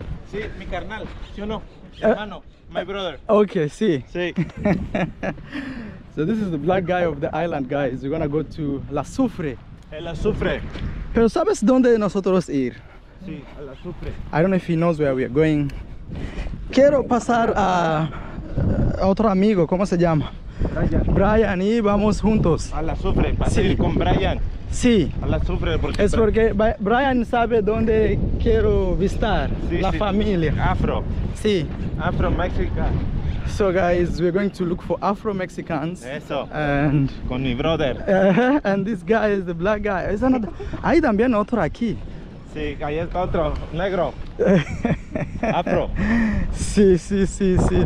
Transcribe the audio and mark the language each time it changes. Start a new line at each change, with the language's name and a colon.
Spanish: Sí, mi carnal. ¿Sí o no? Hermano.
English: My brother.
Spanish: Ok, sí. Sí.
English: So this is the black guy of the island, guys. We're gonna go to aZufre.
Spanish: El aZufre. Pero ¿sabes dónde nosotros ir? Sí,
English: I don't know if he knows where we are going.
Spanish: Quiero pasar a otro amigo, ¿cómo se llama? Brian. Brian, y vamos juntos. A aZufre, para sí. Ir con Brian. Sí. A aZufre, porque... Es porque Brian sabe dónde quiero visitar sí, la sí. Familia. Afro. Sí.
English: Afro-Mexican. So guys, we're going to look for Afro-Mexicans.
Spanish: Eso.
English: And...
Spanish: Con mi brother.
English: And this guy is the black guy. Es another...
Spanish: Hay también otro aquí. Sí, ahí está otro, negro. Afro. Sí, sí, sí, sí, sí.